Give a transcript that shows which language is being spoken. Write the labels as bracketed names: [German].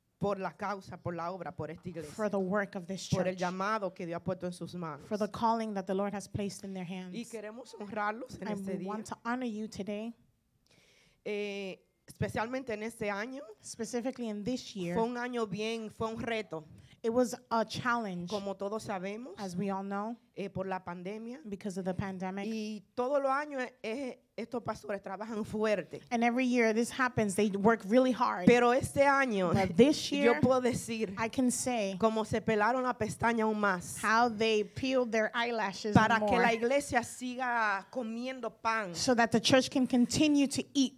[Spanish] por la causa, por la obra, por esta iglesia, [English] for the work of this church, [Spanish] por el llamado que Dios ha puesto en sus manos, [English] for the calling that the Lord has placed in their hands, [Spanish] y queremos honrarlos en [English] and [Spanish] este día, [English] and we want to honor you today, [Spanish] especialmente en este año, [English] specifically in this year, [Spanish] fue un año bien, fue un reto. [English] It was a challenge, [Spanish] como todos sabemos, [English] as we all know, [Spanish] por la pandemia, [English] because of the pandemic. [Spanish] Y todos los años estos pastores trabajan fuerte. [English] And every year this happens, they work really hard. [Spanish] Pero este año, [English] but this year, [Spanish] yo puedo decir, [English] I can say, [Spanish] como se pelaron la pestaña aún más, [English] how they peeled their eyelashes [Spanish] para [English] more, [Spanish] que la iglesia siga comiendo pan, [English] so that the church can continue to eat